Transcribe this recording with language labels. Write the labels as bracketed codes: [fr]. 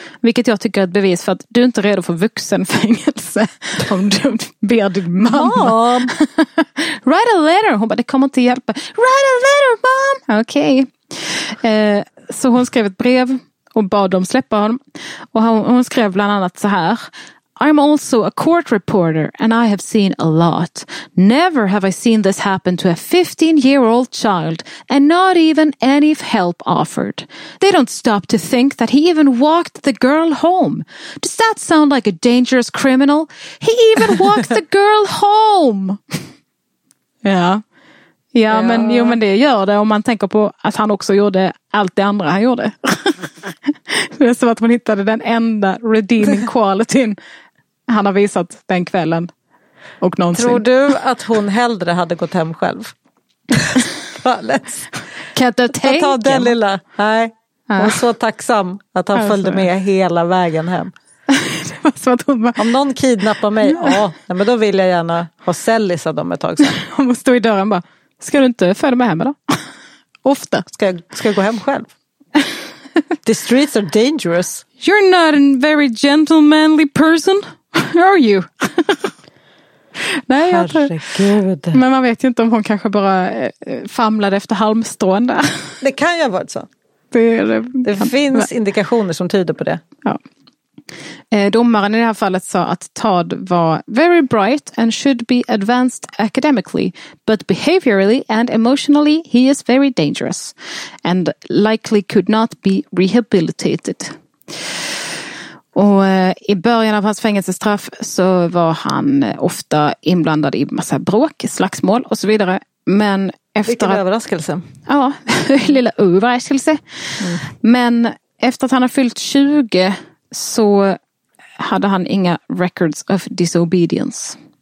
[sv] Vilket jag tycker är ett bevis för att du inte är redo för vuxenfängelse om du ber din mamma. [en] Mom. Write a letter. Hon bara, det kommer inte hjälpa. Write a letter, mom! Okej. [sv] Så hon skrev ett brev och bad dem släppa honom. Och hon skrev bland annat så här. [en] I'm also a court reporter and I have seen a lot. Never have I seen this happen to a 15-year-old child and not even any help offered. They don't stop to think that he even walked the girl home. Does that sound like a dangerous criminal? He even walked the girl home! [sv] Ja. Ja, men, jo, men det gör det om man tänker på att han också gjorde allt det andra han gjorde. Det är som att man hittade den enda redeeming qualityn. Han har visat den kvällen och någonsin. Tror du att hon hellre hade gått hem själv? Kan du tänka den lilla? Nej. Hon är så tacksam att han följde med hela vägen hem. Om någon kidnappar mig, ja, men då vill jag gärna ha cellis av dem ett tag sen. Hon stod i dörren bara, ska du inte följa med hem då? Ofta. Ska jag gå hem själv? [en] The streets are dangerous. You're not a very gentlemanly person, are you? [sv] Nej, herregud. Men man vet ju inte om hon kanske bara famlade efter halmstrån där. Det kan ju ha varit så. Det finns indikationer som tyder på det. Ja. Domaren i det här fallet sa att Todd var [en] very bright and should be advanced academically, but behaviorally and emotionally he is very dangerous and likely could not be rehabilitated. [sv] Och i början av hans fängelsestraff så var han ofta inblandad i massa bråk, slagsmål och så vidare. Men efter vilken överraskelse. Ja, lilla överraskelse. Mm. Men efter att han har fyllt 20 så hade han inga [en] records of disobedience.